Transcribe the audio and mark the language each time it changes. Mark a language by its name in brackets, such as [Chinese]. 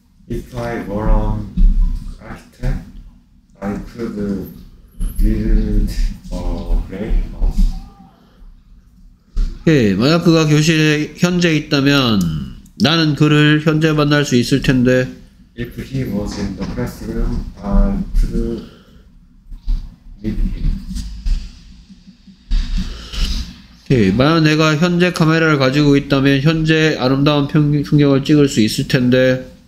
[English] If I were an architect, I could build a great house. [Korean] 오케이. 만약 그가 교실에 현재 있다면 나는 그를 현재 만날 수 있을 텐데. [English] If he was in the classroom, I could meet him. [Korean] 만약 내가 현재 카메라를 가지고 있다면 현재 아름다운 풍경을 찍을 수 있을 텐데.